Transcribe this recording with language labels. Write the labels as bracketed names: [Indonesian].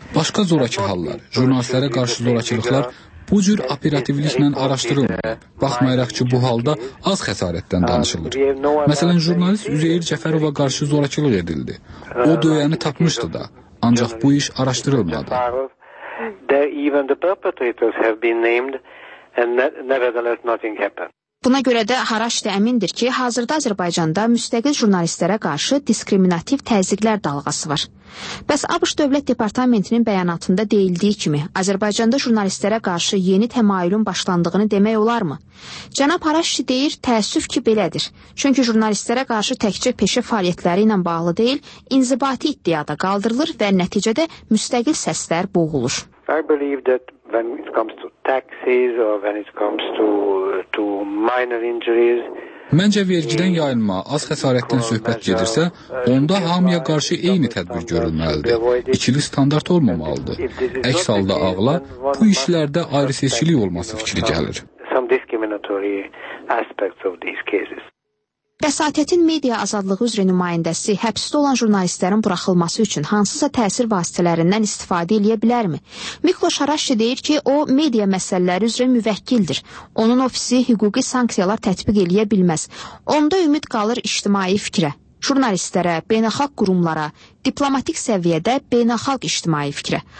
[Azerbaijani] Başqa zorakı hallar, jurnalistlərə qarşı zorakılıqlar bu cür operativliklə araşdırılmır. Baxmayaraq ki, bu halda az xəsarətdən danışılır. Məsələn, jurnalist Üzeyir Cəfərova qarşı zorakılıq edildi. O döyəni tapmışdı da, ancaq bu iş araşdırılmadı. [English] Even the perpetrators have been named and nevertheless nothing happened. [Azerbaijani] Buna görə də Haraş da əmindir ki, hazırda Azərbaycanda müstəqil jurnalistlərə qarşı diskriminativ təzyiqlər dalğası var. Bəs ABŞ Dövlət Departamentinin bəyanatında deyildiyi kimi, Azərbaycanda jurnalistlərə qarşı yeni təmayülün başlandığını demək olarmı? Cənab Haraşçı deyir, təəssüf ki, belədir. Çünki jurnalistlərə qarşı təkcə peşə fəaliyyətləri ilə bağlı deyil, inzibati iddiada qaldırılır və nəticədə müstəqil səslər boğulur. [English] I believe that when it comes to taxes or when it comes to minor injuries. [Azerbaijani] Məncə vergidən yayılma, az xəsarətdən söhbət gedirsə, onda hamıya qarşı eyni tədbir görülməlidir. İkili standart olmamalıdır. Əks halda ağla bu işlərdə ayrı seçkilik olması fikri gəlir. [English] Some discriminatory aspects of these cases. [Azerbaijani] Bəsatiyyətin media azadlığı üzrə nümayəndəsi həbsdə olan jurnalistlərin buraxılması üçün hansısa təsir vasitələrindən istifadə edə bilərmi? Mikloş Haraşçı deyir ki, o media məsələləri üzrə müvəkkildir. Onun ofisi hüquqi sanksiyalar tətbiq edə bilməz. Onda ümid qalır ictimai fikrə, jurnalistlərə, beynəlxalq qurumlara, diplomatik səviyyədə beynəlxalq ictimai fikrə.